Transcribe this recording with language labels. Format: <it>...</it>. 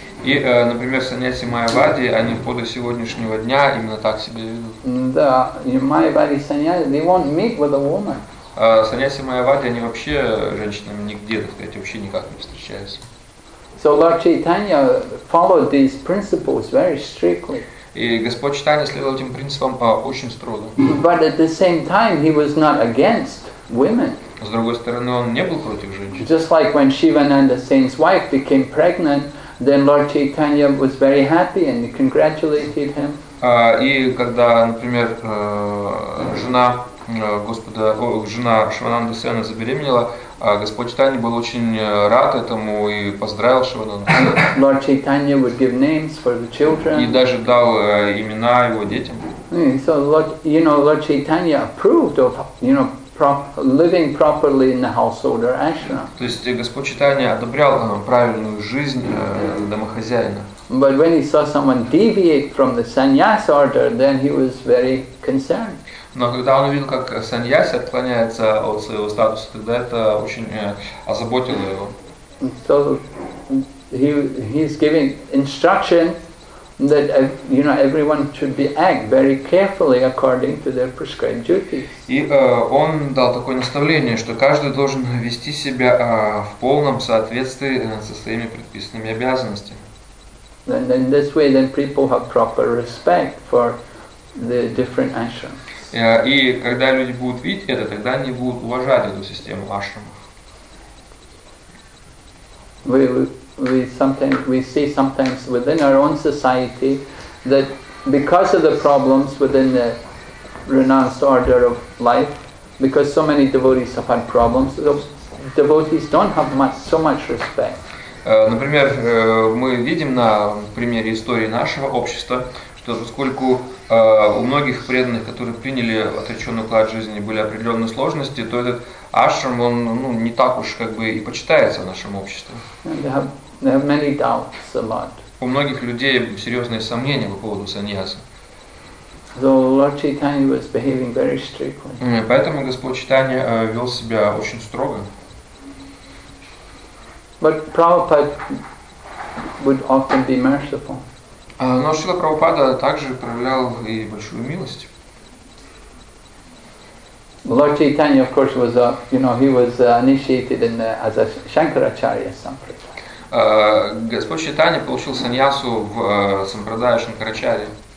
<ru>И, например, саньяси Майявади, они по до сегодняшнего дня именно так себя ведут. Да,</ru> <en>Майявади саньяси, they won't meet with a woman.</en> <ru>Саньяси Майявади, они вообще женщинами нигде, так сказать, вообще никак не встречаются.</ru> <en>So Lord Chaitanya followed these principles very strictly.</en> <ru>И Господь Чайтанья следовал этим принципам очень строго.</ru> <en>But at the same time, he was not against women.</en> <ru>С другой стороны, он не был против женщин.</ru> <en>Just like when Shivananda Sen's wife became pregnant, then Lord Chaitanya was very happy and congratulated him.</en> <ru>И когда, например, жена Господа, жена Шивананды Сена забеременела, Господь Чайтанья был очень рад этому и поздравил Шивананду.</ru> <en>Lord Chaitanya would give names for the children.</en> <ru>И даже дал имена его детям.</ru> <en>So Lord, you know, Lord Chaitanya approved of, you know, living properly in the household or ashram.</en> <ru>То есть Господь Чайтанья одобрял правильную жизнь домохозяина.</ru> <en>But when he saw someone deviate from the sannyas order, then he was very concerned.</en> <ru>Но когда он увидел, как саньяси отклоняется от своего статуса, тогда это очень озаботило его.</ru> <en>So he's giving instruction that, you know, everyone should be act very carefully according to their prescribed duties.</en> <ru>И он дал такое наставление, что каждый должен вести себя в полном соответствии со своими предписанными обязанностями.</ru> <en>And in this way, then people have proper respect for the different ashrams.</en> <ru>И когда люди будут видеть это, тогда они будут уважать эту систему ашрамов.</ru> <en>We sometimes we see sometimes within our own society that because of the problems within the renounced order of life, because so many devotees have had problems, those devotees don't have much so much respect.</en> <ru>Например, мы видим на примере истории нашего общества, что поскольку у многих преданных, которые приняли отреченный уклад жизни, были определенные сложности, то этот ашрам, он ну, не так уж как бы и почитается в нашем обществе.</ru> <en>They have many doubts a lot.</en> <ru>У многих людей серьезные сомнения по поводу саньяса.</ru> <en>So Lord Chaitanya was behaving very strictly.</en> <ru>Поэтому Господь Чайтанья вел себя очень строго.</ru> <en>But Prabhupada would often be merciful.</en> <ru>Но Шрила Прабхупада также проявлял и большую милость.</ru> <en>Lord Chaitanya, of course, was a, you know, he was initiated in the, as a Shankaracharya sampradaya.</en> <ru>Господь Чайтанья получил саньясу в сампрадае Шанкарачарье.</ru>